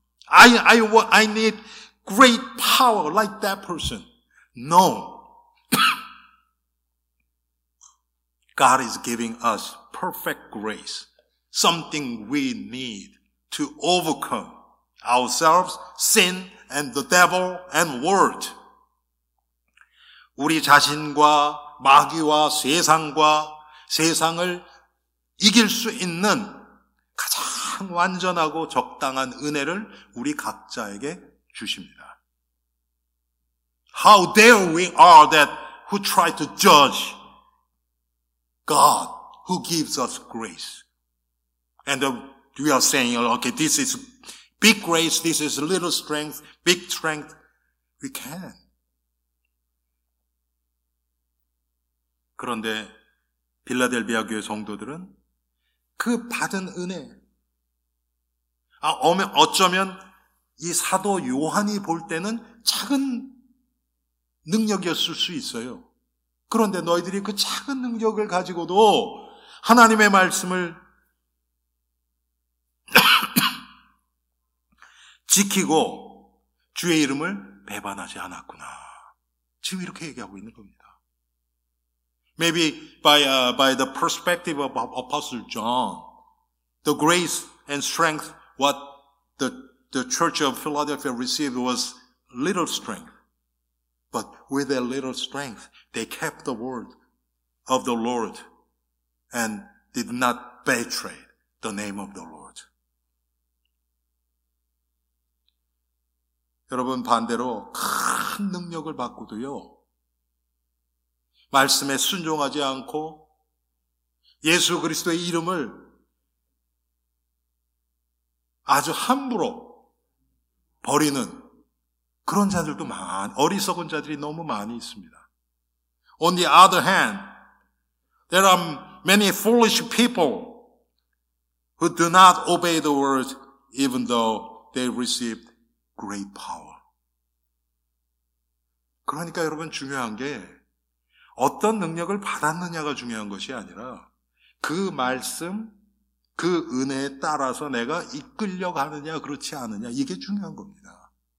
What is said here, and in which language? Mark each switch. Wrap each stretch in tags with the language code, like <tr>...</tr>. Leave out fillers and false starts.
<en>I need great power like that person. No. God is giving us perfect grace. Something we need to overcome ourselves, sin, and the devil, and world.</en> <ko>우리 자신과 마귀와 세상과 세상을 이길 수 있는 가장 완전하고 적당한 은혜를 우리 각자에게 주십니다.</ko> <en>How dare we are that who try to judge God who gives us grace? And we are saying, okay, this is big grace, this is little strength, big strength. We can.</en> <ko>그런데 빌라델비아 교회 성도들은 그 받은 은혜, 어쩌면 이 사도 요한이 볼 때는 작은 능력이었을 수 있어요. 그런데 너희들이 그 작은 능력을 가지고도 하나님의 말씀을 지키고 주의 이름을 배반하지 않았구나. 지금 이렇게 얘기하고 있는 겁니다.</ko> <en>Maybe by the perspective of Apostle John, the grace and strength what the church of Philadelphia received was little strength. But with their little strength, they kept the word of the Lord and did not betray the name of the Lord.</en> <ko>여러분, 반대로 큰 능력을 받고도요, 말씀에 순종하지 않고 예수 그리스도의 이름을 아주 함부로 버리는 그런 자들도 어리석은 자들이 너무 많이 있습니다.</ko> <en>On the other hand, there are many foolish people who do not obey the word even though they received great power.</en> <ko>그러니까 여러분 중요한 게 어떤 능력을 받았느냐가 중요한 것이 아니라 그 말씀, 그 은혜에 따라서 내가 이끌려가느냐 그렇지 않느냐 이게 중요한 겁니다.</ko>